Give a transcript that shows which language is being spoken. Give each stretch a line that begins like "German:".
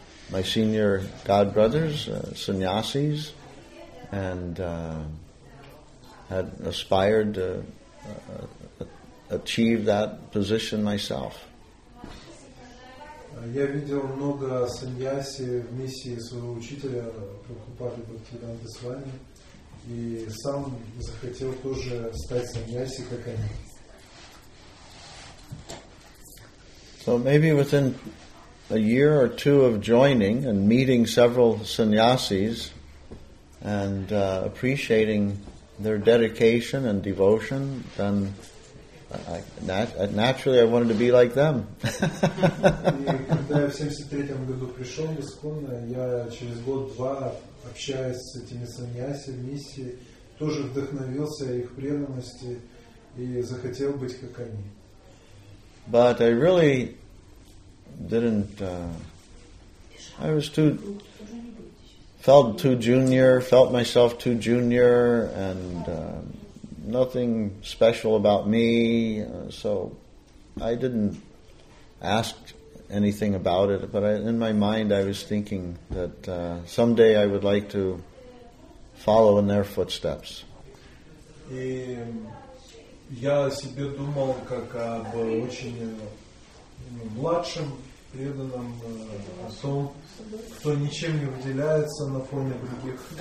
English: My senior godbrothers, sannyasis, and had aspired to achieve that position myself.
Russian: Я видел много сannyasi в миссии своего учителя Прабхупады Бхактивиданты с вами. И сам захотел тоже стать саньяси, как они.
English: So maybe within a year or two of joining and meeting several sannyasis and appreciating their dedication and devotion, then naturally I wanted to be like them.
Russian: Когда я в 73-м году пришел в Искон, я через год-два общаясь с этими саньяси в миссии, тоже вдохновился их преданности и захотел быть как они.
English: But I really didn't. I was too felt too junior, felt myself too junior, and nothing special about me. So I didn't ask anything about it, but in my mind I was thinking that someday I would like to follow in their footsteps.
Russian: И я себе думал как об очень младшем преданном о том, кто ничем не выделяется на фоне других.